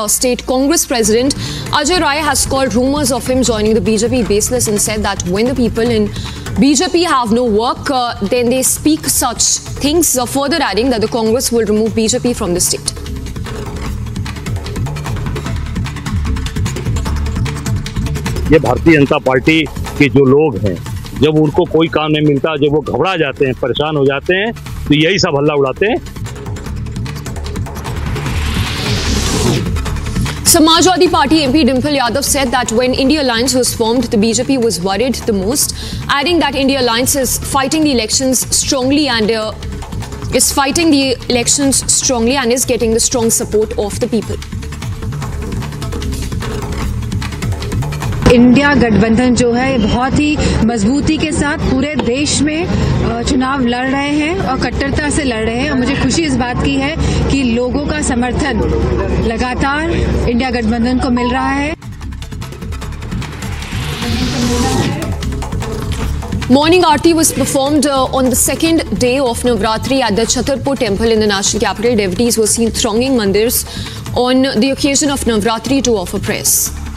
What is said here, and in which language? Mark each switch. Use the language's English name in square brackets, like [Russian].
[English] State Congress President Ajay Rai has called rumors of him joining the BJP baseless and said that when the people in BJP have no work, then they speak such things, further adding that the Congress will remove BJP from the state. [Hindi] ये Bharatiya Janata party के जो लोग हैं, जब उनको कोई काम नहीं मिलता, जब वो घबरा जाते हैं, परेशान हो जाते हैं, तो यही सब हल्ला उड़ाते हैं। [English] Samajwadi Party MP Dimple Yadav said that when India Alliance was formed, the BJP was worried the most, adding that India Alliance is fighting the elections strongly and is getting the strong support of the people. [Hindi] India गठबंधन जो है बहुत ही मजबूती के साथ पूरे देश में चुनाव लड़ रहे हैं और कट्टरता से लड़ रहे हैं और मुझे खुशी इस बात की है कि लोगों का समर्थन लगातार इंडिया गठबंधन को मिल रहा है. [English] Morning Aarti was performed on the second day of Navratri at the Chhatarpur temple in the national capital. Devotees were seen thronging mandirs on the occasion of Navratri to offer prayers.